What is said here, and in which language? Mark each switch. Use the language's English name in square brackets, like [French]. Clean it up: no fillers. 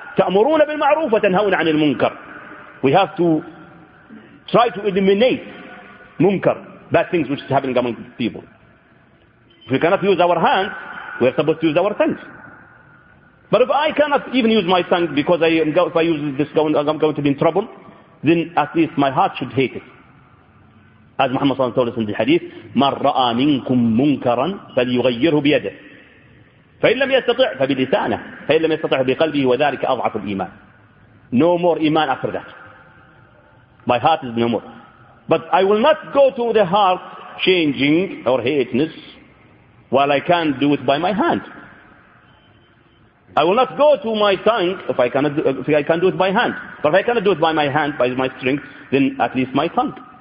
[Arabic] تأمرون بالمعروف وتنهون عن المنكر. [English] We have to try to eliminate munkar, bad things which is happening among people. If we cannot use our hands, we are supposed to use our tongues. But if I cannot even use my tongue because if I use this, I'm going to be in trouble, then at least my heart should hate it. As Muhammad [Arabic] صلى الله عليه وسلم [English] told us in the hadith, [Arabic] من رأى منكم منكرا فليغيره بيده. فإن لم يستطع فبلسانه فإن لم يستطع بقلبه وذلك أضعف الإيمان. [English] No more إيمان after that. My heart is no more. But I will not go to the heart changing or hateness while I can't do it by my hand. I will not go to my tongue if I can't do it by hand. But if I cannot do it by my hand, by my strength, then at least my tongue.